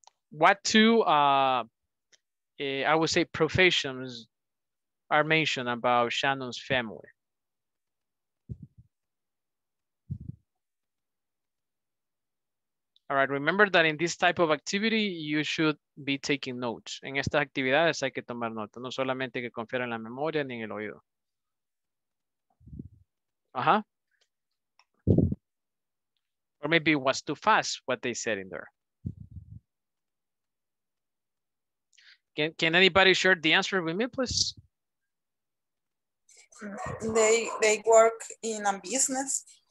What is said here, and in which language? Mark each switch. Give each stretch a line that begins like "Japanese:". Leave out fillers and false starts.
English: What two, I would say professions are mentioned about Shannon's family? All right, remember that in this type of activity, you should be taking notes.
Spanish: En estas actividades hay que tomar notas, no solamente que confiar en la memoria ni en el oído. Ajá.
English: Or maybe it was too fast what they said in there. Can anybody share the answer with me, please? They work in a business.